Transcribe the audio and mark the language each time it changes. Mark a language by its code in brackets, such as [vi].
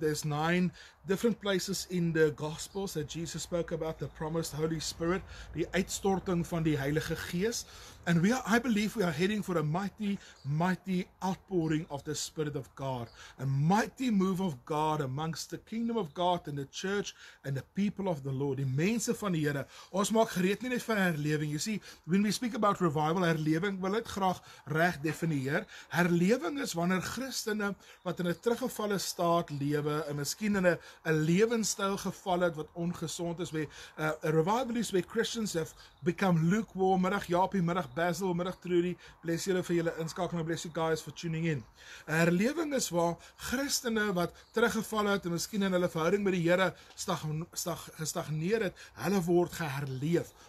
[en] There's 9 different places in the Gospels that Jesus spoke about the promised Holy Spirit, the [af] uitstorting van die Heilige Geest. [en] And I believe we are heading for a mighty, mighty outpouring of the Spirit of God. A mighty move of God amongst the kingdom of God and the church and the people of the Lord. [af] Die mense van die Here. Ons maak gereed nie net vir herlewing. [en] You see, when we speak about revival, [af] herlewing, wil ek graag reg definieer. Herlewing is wanneer Christene wat in 'n teruggevalle staat lewe, en miskien in 'n lewenstyl geval het wat ongesond is. [en] A revival is where Christians have become lukewarm. [af] Middag Jaapie, middag Basil, middag Trudy, bless julle vir julle inskakeling, [en] bless you guys for tuning in. [af] Herlewing is waar Christene wat teruggeval het en miskien in hulle verhouding met die Here gestagneer het, hulle word geherleef.